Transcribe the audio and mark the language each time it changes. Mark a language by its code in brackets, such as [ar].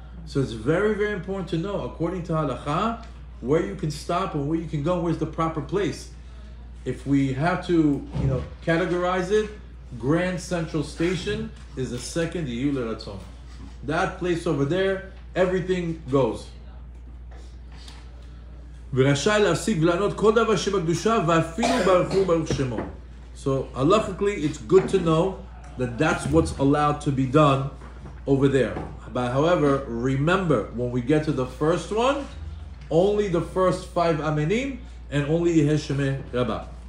[en] So it's very, very important to know, according to Halakha, where you can stop and where you can go, where's the proper place. If we have to, you know, categorize it, Grand Central Station is the second Yehul Ratzon. That place over there, everything goes. [he] ורשאי להפסיק ולענות כל דבר שבקדושה ואפילו ברוך הוא ברוך שמו. [en] So halachically, it's good to know that that's what's allowed to be done over there. But however, remember, when we get to the first one, only the first five amenim and only יהיה שמי רבה.